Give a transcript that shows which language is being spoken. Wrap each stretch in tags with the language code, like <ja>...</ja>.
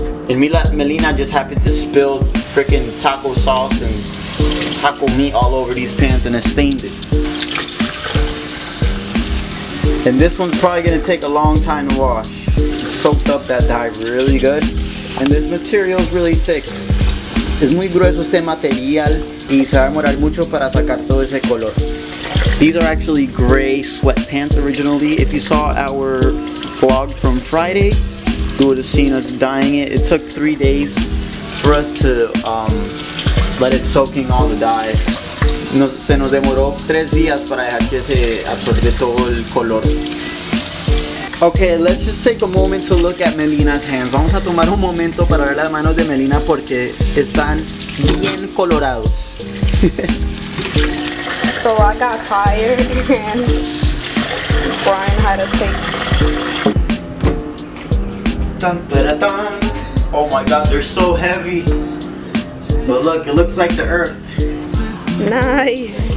<en>And Melina just happened to spill freaking taco sauce and taco meat all over these pants and it stained it. And this one's probably gonna take a long time to wash. Soaked up that dye really good. And this material is really thick.</en> <es>Es muy grueso este material y se va a demorar mucho para sacar todo ese color.</es> <en>These are actually gray sweatpants originally. If you saw our vlog from Friday, you would have seen us dyeing it. It took 3 days for us to let it soak in all the dye.</en> <es>Se nos demoró 3 días para dejar que se absorbe todo el color.</es> <en>Okay, let's just take a moment to look at Melina's hands.</en> <es>Vamos a tomar un momento para ver las manos de Melina porque están bien colorados.</es> <en>So I got tired and Brian had to take. Oh my god, they're so heavy. But look, it looks like the earth. Nice.</en>